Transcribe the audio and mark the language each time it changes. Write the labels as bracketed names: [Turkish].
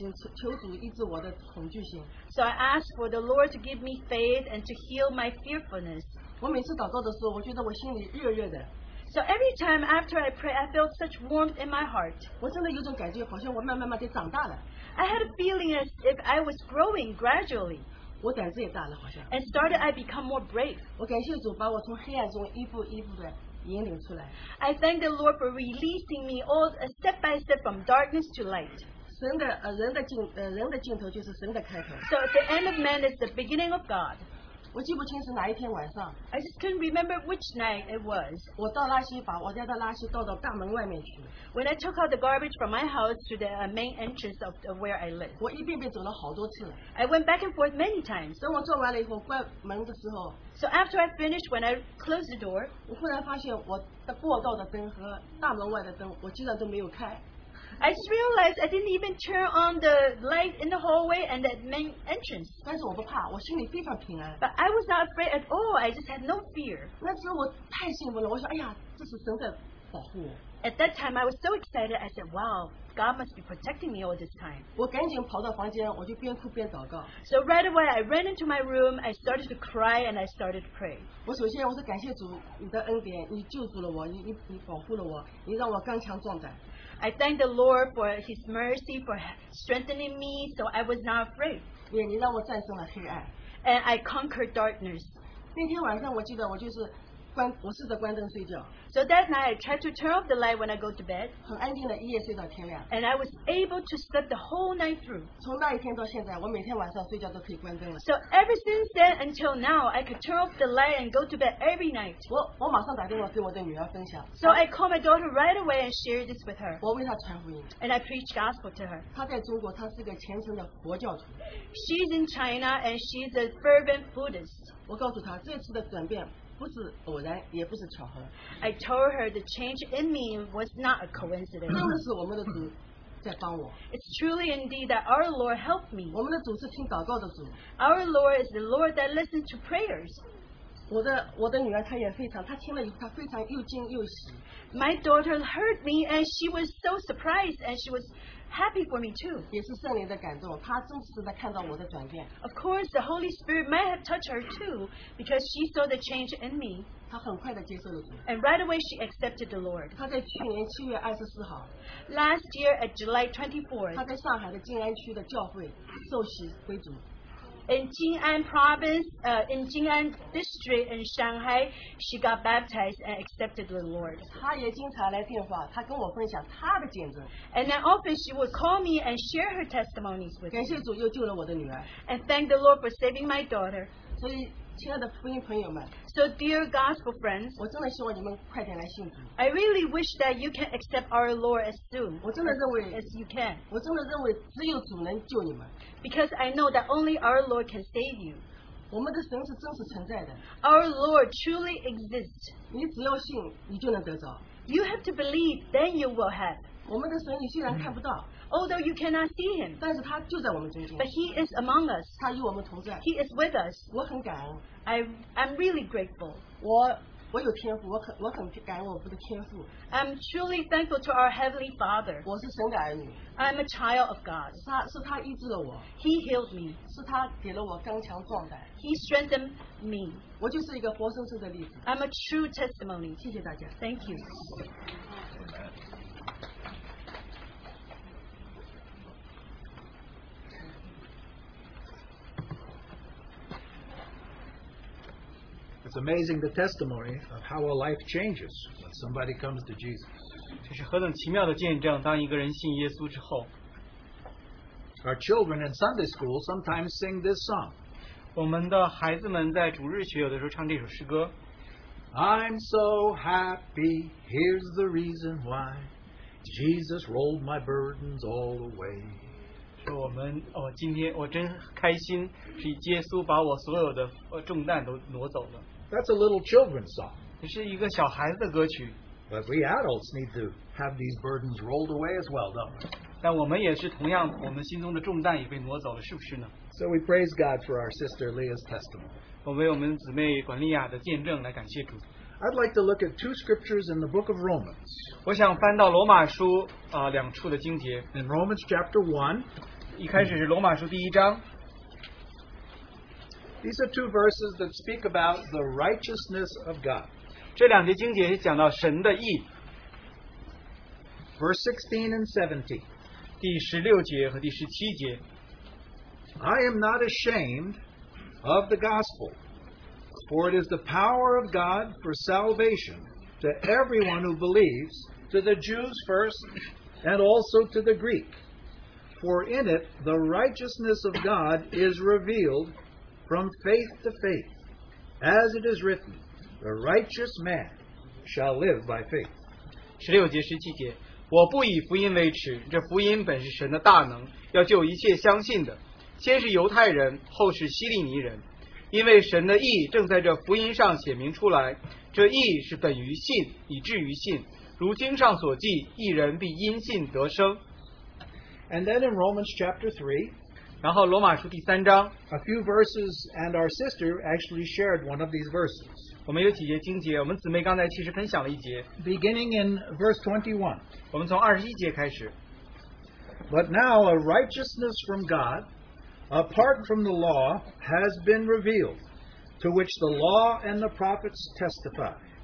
[Chinese] 我求保守，我求主赐给我信心，求主医治我的恐惧心。 [English] So I ask for the Lord to give me faith and to heal my fearfulness. [Chinese] 我每次祷告的时候，我觉得我心里热热的。 [English] So every time after I pray, I felt such warmth in my heart. [Chinese] 我真的有种感觉，好像我慢慢慢地长大了。 [English] I had a feeling as if I was growing gradually. [Chinese] 我胆子也大了，好像。 [English] And started I become more brave. [Chinese] 我感谢主把我从黑暗中一步一步地引领出来。 [English] I thank the Lord for releasing me all step by step from darkness to light. [Chinese] 神的人的尽头就是神的开头。 [English] So the end of man is the beginning of God. [Chinese] 我记不清是哪一天晚上。 [English] I just couldn't remember which night it was. [Chinese] 我倒垃圾，把我家的垃圾倒到大门外面去。 [English] When I took out the garbage from my house to the main entrance of where I live. [Chinese] 我一遍遍走了好多次。 [English] I went back and forth many times. [Chinese] 等我做完了以后关门的时候。 [English] So after I finished, when I closed the door, [Chinese] 我忽然发现我的过道的灯和大门外的灯，我居然都没有开。 [English] I just realized I didn't even turn on the light in the hallway and the main entrance. [Chinese] 但是我不怕，我心里非常平安。 [English] But I was not afraid at all. I just had no fear. [Chinese] 那时候我太兴奋了，我说哎呀，这是神的保护。 [English] At that time, I was so excited. I said, "Wow, God must be protecting me all this time." [Chinese] 我赶紧跑到房间，我就边哭边祷告。 [English] So right away, I ran into my room. I started to cry and I started to pray. [Chinese] 我首先我说感谢主，你的恩典，你救助了我，你保护了我，你让我刚强壮胆。 [English] I thank the Lord for His mercy, for strengthening me, so I was not afraid. [Chinese] 也你让我战胜了黑暗。 [English] And I conquered darkness. [Chinese] 那天晚上我记得我就是。我试着关灯睡觉。 [English] So that night, I tried to turn off the light when I go to bed. [Chinese] 很安静的一夜睡到天亮。 [English] And I was able to sleep the whole night through. [Chinese] 从那一天到现在，我每天晚上睡觉都可以关灯了。 [English] So ever since then until now, I could turn off the light and go to bed every night. [Chinese] 我马上打电话给我的女儿分享。 [English] So I called my daughter right away and shared this with her. [Chinese] 我为她传福音。 [English] And I preached gospel to her. [Chinese] 她在中国，她是个虔诚的佛教徒。 [English] She's in China and she's a fervent Buddhist. [Chinese] 我告诉她，这次的转变。不是偶然，也不是巧合。 [English] I told her the change in me was not a coincidence. [Chinese] 真的是我们的主在帮我。 [English] It's truly indeed that our Lord helped me. [Chinese] 我们的主是听祷告的主。 [English] Our Lord is the Lord that listens to prayers. [Chinese] 我的女儿她也非常，她听了以后她非常又惊又喜。 [English] My daughter heard me and she was so surprised and she was happy for me too. [Chinese] 也是圣灵的感动，她真实的看到我的转变。 [English] Of course, the Holy Spirit might have touched her too because she saw the change in me. [Chinese] 她很快的接受了主。 [English] And right away she accepted the Lord. [Chinese] 她在去年七月二十四号。 [English] Last year at July 24th. [Chinese] 她在上海的静安区的教会受洗归主。 [English] In Jing'an province, in Jing'an district in Shanghai, she got baptized and accepted the Lord. And then often she would call me and share her testimonies with me. And thank the Lord for saving my daughter. [Chinese] 所以亲爱的福音朋友们, [English] so dear gospel friends, [Chinese] 我真的希望你们快点来信主。 [English] I really wish that you can accept our Lord as soon [Chinese] 我真的认为, [English] as you can. [Chinese] 我真的认为只有主能救你们。 [English] Because I know that only our Lord can save you. [Chinese] 我们的神是真实存在的。 [English] Our Lord truly exists. [Chinese] 你只要信,你就能得着。 [English] You have to believe, then you will have. [Chinese] 我们的神你虽然看不到。 [English] Although you cannot see him, [Chinese] 但是他就在我们中间。 [English] But he is among us. [Chinese] 他与我们同在。 [English] He is with us. [Chinese] 我很感恩。 [English] I'm really grateful. [Chinese] 我有天父，我很感恩我的天父。 [English] I'm truly thankful to our heavenly Father. [Chinese] 我是神的儿女。 [English] I'm a child of God. [Chinese] 是他医治了我。 [English] He healed me. [Chinese] 是他给了我刚强壮胆。 [English] He strengthened me. [Chinese] 我就是一个活生生的例子。 [English] I'm a true testimony. [Chinese] 谢谢大家。 [English] Thank you. It's amazing the testimony of how a life changes when somebody comes to Jesus. [Chinese] 这是何等奇妙的见证！当一个人信耶稣之后 [English] ，Our children in Sunday school sometimes sing this song. [Chinese] 我们的孩子们在主日学有的时候唱这首诗歌。 [English] I'm so happy. Here's the reason why. Jesus rolled my burdens all away. [Chinese] 说我们哦，今天我真开心，是耶稣把我所有的重担都挪走了。 [English] That's a little children's song. [Chinese] 这是一个小孩子的歌曲。 [English] But we adults need to have these burdens rolled away as well, don't we? [Chinese] 但我们也是同样，我们心中的重担也被挪走了，是不是呢？ [English] So we praise God for our sister Leah's testimony. [Chinese] 我为我们姊妹管丽亚的见证来感谢主。 [English] I'd like to look at two scriptures in the book of Romans. [Chinese] 我想翻到罗马书两处的经节。 [English] In Romans chapter 1, [Chinese] 一开始是罗马书第一章。 [English] These are two verses that speak about the righteousness of God. [Chinese] 这两节经节是讲到神的义。 [English] Verse 16 and 17. [Chinese] 第十六节和第十七节。 [English] I am not ashamed of the gospel, for it is the power of God for salvation to everyone who believes, to the Jews first, and also to the Greek. For in it the righteousness of God is revealed from faith to faith. As it is written, the righteous man shall live by faith. [Chinese] 16节17节, 我不以福音为耻, 这福音本是神的大能, 要救一切相信的, 先是犹太人, 后是希利尼人, 因为神的义正在这福音上显明出来, 这义是本于信, 以至于信, 如经上所记, 一人必因信得生。 [English] And then in Romans chapter 3, [Chinese] 然后罗马书第三章, [English] a few verses and our sister actually shared one of these verses. [Chinese] 我们有几节经节, 我们姊妹刚才其实分享了一节, [English] beginning in verse 21. [Chinese] 我们从21节开始, [English] But now a righteousness from God, apart from the law, has been revealed, to which the law and the prophets testify.